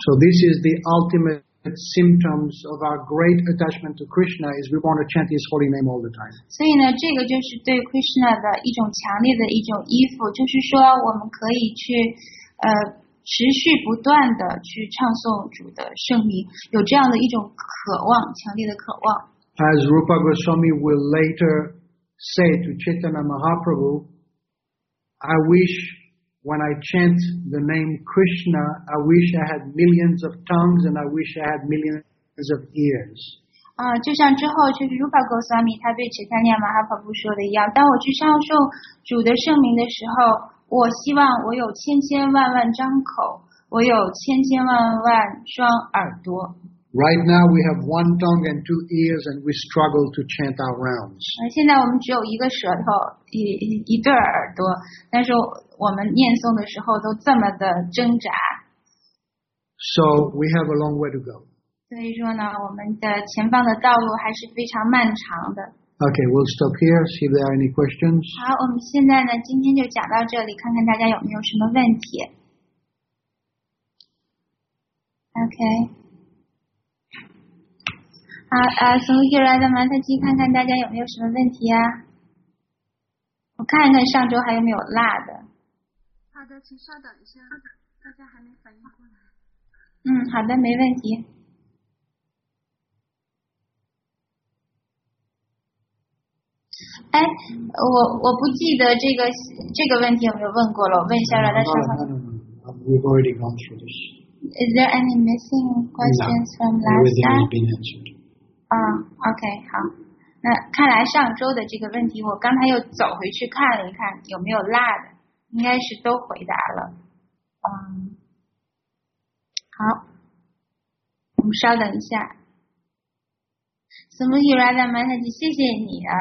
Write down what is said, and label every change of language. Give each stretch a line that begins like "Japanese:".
English: So this is the ultimate symptoms of our great attachment to Krishna, is we want to chant his holy name all the time。
Chinese: 所以呢，这个就是对 Krishna 的一种强烈的一种依附，就是说我们可以去持续不断的去唱诵主的圣名，有这样的一种渴望，强烈的渴望。
English: As Rupa Goswami will later say to Chaitanya Mahaprabhu, I wish when I chant the name Krishna, I wish I had millions of tongues and I wish I had millions of ears.
Chinese: 就像之后就是 Rupa Goswami 他对 Chaitanya Mahaprabhu 说的一样，当我去唱诵主的圣名的时候，我希望我有千千万万张口，我有千千万万双耳朵。
English: Right now we have one tongue and two ears, and we struggle to chant our rounds.
Chinese: 现在我们只有一个舌头，一对耳朵，但是我们念诵的时候都这么的挣扎。
English: So we have a long way to go.
Chinese: 所以说呢，我们的前方的道路还是非常漫长的。
English: Okay, we'll stop here. See if there are any questions.
Chinese: 好，我们现在呢，今天就讲到这里，看看大家有没有什么问题。
English: Okay.
Chinese: 从一来的馒头鸡，看看大家有没有什么问题啊？我看一看上周还有没有落的。好的，请稍等一下，大家还没反应过来。好的，没问题。我不记得这个问题有没有问过了，我问一下了，但是
English: we've already gone through this. Is there any missing questions from last time?
Chinese: Okay, 好，那看来上周的这个问题我刚才又走回去看了一看有没有落的，应该是都回答了。好，我们稍等一下。Smoothie Radha Mataji， 谢谢你啊！